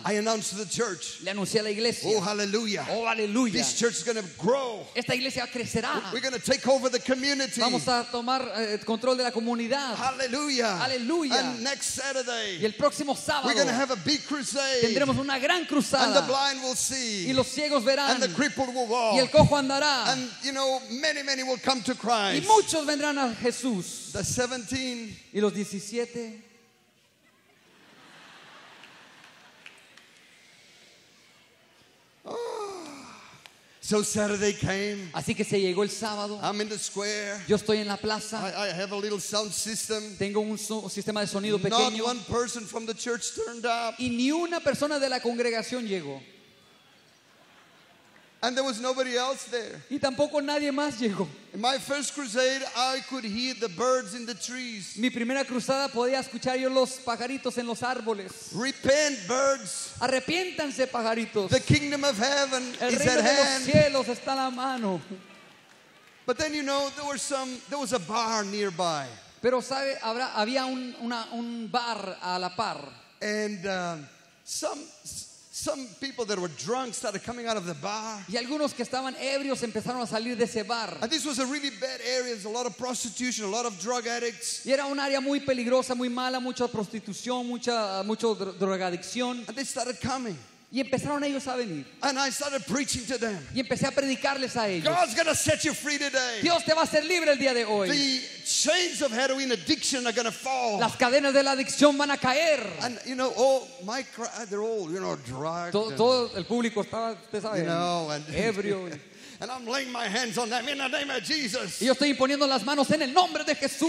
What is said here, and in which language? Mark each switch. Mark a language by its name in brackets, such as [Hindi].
[English] I announced to the church. [Spanish] Le anuncié a la iglesia. [English] Oh, hallelujah. [Spanish] Oh, aleluya. [English] This church is going to grow. [Spanish] Esta iglesia crecerá. [English] We're going to take over the community. [Spanish] Vamos a tomar control de la comunidad. Hallelujah. Hallelujah. [English] And next Saturday. [Spanish] Y el próximo sábado. [English] We're going to have a big crusade. [Spanish] Tendremos una gran cruzada. [English] And the blind will see. [Spanish] Y los ciegos verán. [English] And the crippled will walk. [Spanish] Y el cojo andará. [English] And you know, many, many will come to Christ. [Spanish] Y muchos vendrán a Jesús. [English] The 17. [Spanish] Y los 17. [English] So Saturday came. [Spanish] Así que se llegó el sábado. [English] I'm in the square. [Spanish] Yo estoy en la plaza. [English] I have a little sound system. [Spanish] Tengo un sistema de sonido pequeño. [English] Not one person from the church turned up. [Spanish] Y ni una persona de la congregación llegó. [English] And there was nobody else there. [Spanish] Y tampoco nadie más llegó. [English] In my first crusade, I could hear the birds in the trees. [Spanish] Mi primera cruzada podía escuchar yo los pajaritos en los árboles. [English] Repent, birds. [Spanish] Arrepiéntanse, pajaritos. [English] The kingdom of heaven [Spanish] El [English] is at hand. [Spanish] El reino de los cielos está a la mano. [English] But then you know there was a bar nearby. [Spanish] Pero sabe, había un bar a la par. [English] And some people that were drunk started coming out of the bar. [Spanish] Y algunos que estaban ebrios empezaron a salir de ese bar. [English] And this was a really bad area. There's a lot of prostitution, a lot of drug addicts. [Spanish] Y era un área muy peligrosa, muy mala, mucha prostitución, mucha drogadicción. [English] And they started coming. [Spanish] Y empezaron ellos a venir. [English] And I started preaching to them. [Spanish] Y empecé a predicarles a ellos. [English] God's going to set you free today. [Spanish] Dios te va a hacer libre el día de hoy. [English] The chains of heroin addiction are going to fall. [Spanish] Las cadenas de la adicción van a caer. [English] And you know, all my crowd, they're all, you know, drugged. [Spanish] Todo el público estaba, ustedes saben, [English] you know, and [Spanish] ebrio. [English] And I'm laying my hands on them in the name of Jesus. [Spanish] Y yo estoy imponiendo las manos en el nombre de Jesús.